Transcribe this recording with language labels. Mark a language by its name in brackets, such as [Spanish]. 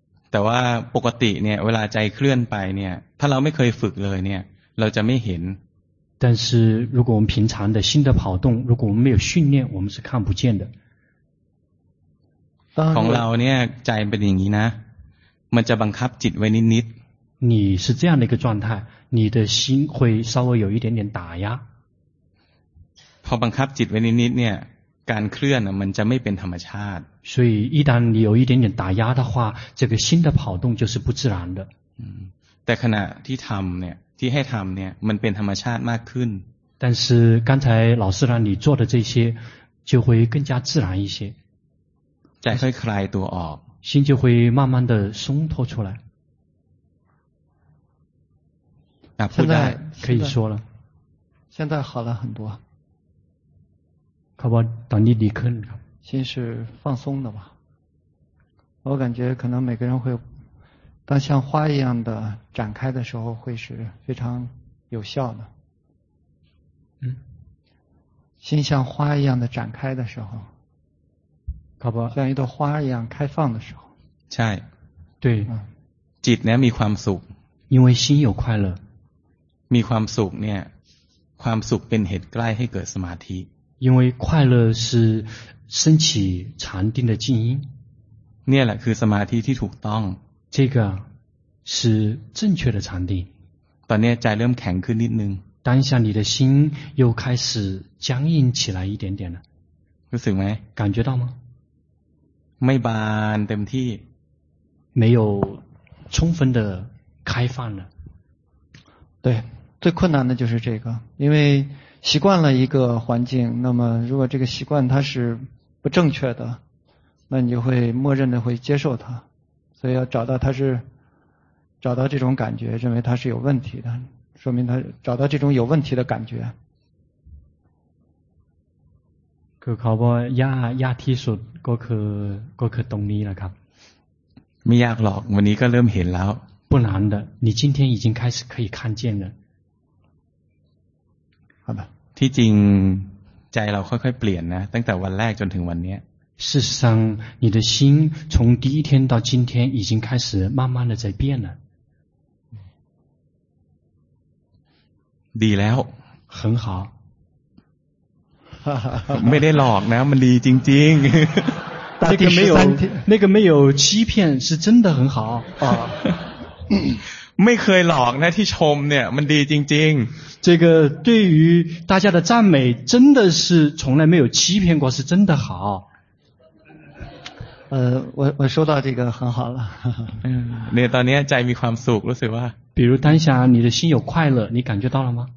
[Thai] แต่ว่าปกติเนี่ยเวลาใจเคลื่อนไปเนี่ยถ้าเราไม่เคยฝึกเลยเนี่ยเราจะไม่เห็น [Chinese] 但是如果我们平常的心的跑动如果我们没有训练我们是看不见的 [Thai] ของเราเนี่ยใจเป็นอย่างนี้นะมันจะบังคับจิตไว้นิด [Chinese] ๆ你是这样的一个状态你的心会稍微有一点点打压 [Thai] พอบังคับจิตไว้นิดๆเนี่ยการเคลื่อนมันจะไม่เป็นธรรมชาติ [Chinese] 所以一旦你有一点点打压的话这个心的跑动就是不自然的 [Thai] แต่ขณะที่ทำเนี่ยที่ให้ทำเนี่ยมันเป็นธรรมชาติมากขึ้น [Chinese] 但是刚才老师让你做的这些就会更加自然一些 [Thai] ใจค่อยคลายตัวออก [Chinese] 心就会慢慢的松脱出来 [Thai] พูดได้ [Chinese] 可以说了现在好了很多 [Thai] เขาว่าตอนนี้ดีขึ้นครับ [Chinese] 心是放松的吧我感觉可能每个人会当像花一样的展开的时候会是非常有效的心像花一样的展开的时候像一朵花一样开放的时候 [Thai] ใช่ [Chinese] 对 [Thai] จิตเนี่ยมีความสุข [Chinese] 因为心有快乐 [Thai] มีความสุขเนี่ยความสุขเป็นเหตุใกล้ให้เกิดสมาธิ [Chinese] 因为快乐是升起禅定的静音 [Thai] เนี่ยแหละคือสมาธิที่ถูกต้อง [Chinese] 这个是正确的禅定 [Thai] ตอนนี้ใจเริ่มแข็งขึ้นนิดนึง [Chinese] 当下你的心又开始僵硬起来一点点了 [Thai] รู้สึกไหม [Chinese] 感觉到吗 [Thai] ไม่บานเต็มที่ [Chinese] 没有充分的开放了对最困难的就是这个因为习惯了一个环境那么如果这个习惯它是不正确的那你就会默认的会接受它所以要找到它是找到这种感觉认为它是有问题的说明它找到这种有问题的感觉 [Thai] คือเขาบอกยากยากที่สุดก็คือตรงนี้แหละครับ ไม่ยากหรอกวันนี้ก็เริ่มเห็นแล้ว [Chinese] 不难的你今天已经开始可以看见了好的 [Thai] ที่จริงใจเราค่อยๆเปลี่ยนนะตั้งแต่วันแรกจนถึงวันนี้ [Chinese] 事实上你的心从第一天到今天已经开始慢慢的在变了 [Thai] ดีแล้ว [Chinese] 很好 [Thai] ไม่ได้หลอกนะมันดีจริง [Chinese] ๆ那个没有那个没有欺骗是真的很好 [Thai] ไม่เคยหลอกนะที่ชมเนี่ยมันดีจริง [Chinese] ๆ这个对于大家的赞美真的是从来没有欺骗过是真的好我收到这个很好了你 [Thai] ตอนนี้ใจมีความสุขรู้สึกว่า [Chinese] 比如当下你的心有快乐你感觉到了吗